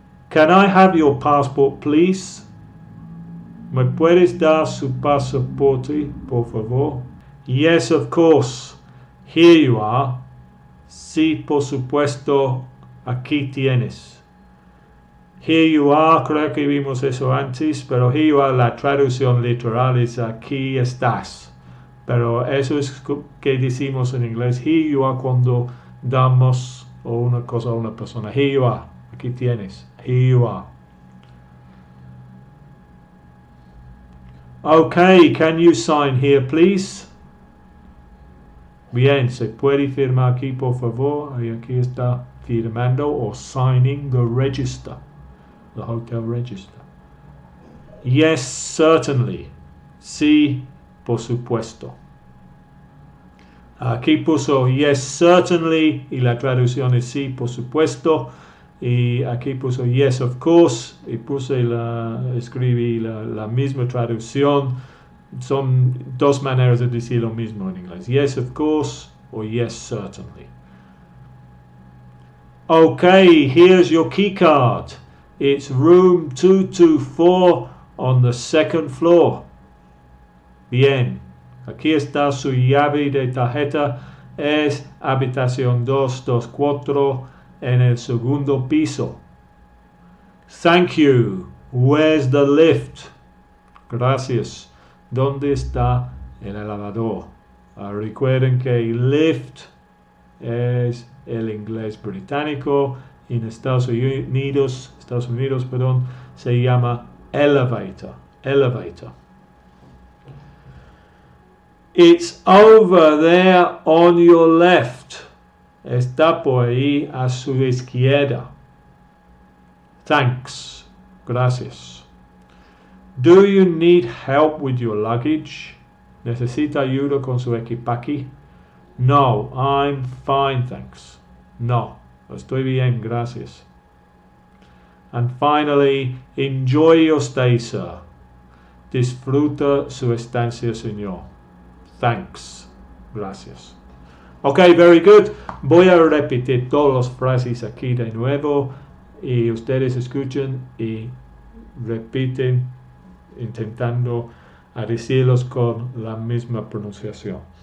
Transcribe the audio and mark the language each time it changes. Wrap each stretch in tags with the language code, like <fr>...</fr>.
<en>Can I have your passport, please?</en> <es>¿Me puedes dar su pasaporte, por favor?</es> <en>Yes, of course. Here you are.</en> <es>Sí, por supuesto. Aquí tienes.</es> <en>Here you are.</en> <es>Creo que vimos eso antes, pero</es> <en>here you are.</en> <es>La traducción literal es aquí estás. Pero eso es que decimos en inglés,</es> <en>here you are,</en> <es>cuando damos una cosa a una persona. Here you are, aquí tienes, here you are.</es> <en>Okay, can you sign here, please?</en> <es>Bien, se puede firmar aquí, por favor. Y aquí está firmando o</es> <en>signing the register, the hotel register. Yes, certainly.</en> <es>Sí, por supuesto. Aquí puso</es> <en>yes, certainly,</en> <es>y la traducción es sí, por supuesto. Y aquí puso</es> <en>yes, of course,</en> <es>y puse escribí la misma traducción. Son dos maneras de decir lo mismo en inglés.</es> <en>Yes, of course, o yes, certainly. Okay, here's your key card. It's room 224 on the second floor. Bien,</en> <es>Aquí está su llave de tarjeta. Es habitación 224 en el segundo piso.</es> <en>Thank you. Where's the lift? Gracias.</en> <es>¿Dónde está el elevador? Recuerden que lift es el inglés británico. En Estados Unidos, se llama elevator. Elevator.</es> <en>It's over there on your left.</en> <es>Está por ahí a su izquierda.</es> <en>Thanks. Gracias. Do you need help with your luggage?</en> <es>¿Necesita ayuda con su equipaje?</es> <en>No, I'm fine, thanks.</en> <es>No, estoy bien, gracias.</es> <en>And finally, enjoy your stay, sir.</en> <es>Disfruta su estancia, señor. Thanks. Gracias.</es> <en>Ok, very good.</en> <es>Voy a repetir todas las frases aquí de nuevo. Y ustedes escuchen y repiten intentando a decirlos con la misma pronunciación.</es>